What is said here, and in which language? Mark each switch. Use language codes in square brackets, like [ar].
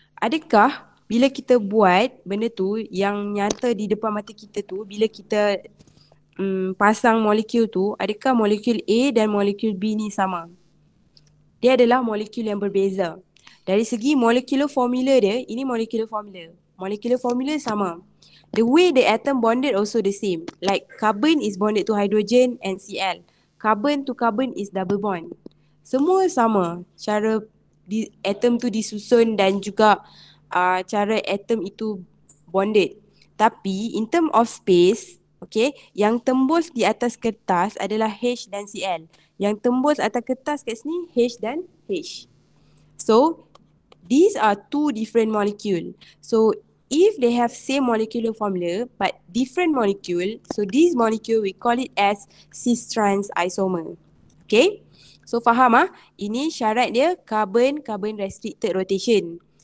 [ms] Adakah bila kita buat benda tu yang nyata di depan mata kita tu, bila kita pasang molekul tu, adakah molekul A dan molekul B ni sama? Dia adalah molekul yang berbeza. Dari segi molecular formula dia, ini molecular formula. Molecular formula sama. [en] The way the atom bonded also the same. Like carbon is bonded to hydrogen and Cl. Carbon to carbon is double bond. [ms] Semua sama. Cara di, atom tu disusun dan juga cara atom itu bonded. Tapi [en] in term of space, [ms] okay, yang tembus di atas kertas adalah H dan Cl. Yang tembus atas kertas kat sini H dan H. [en] So these are two different molecule. So if they have same molecular formula but different molecule, so this molecule we call it as cis trans isomer. [ms] Okay, so faham ah? Ini syarat dia carbon-carbon restricted rotation.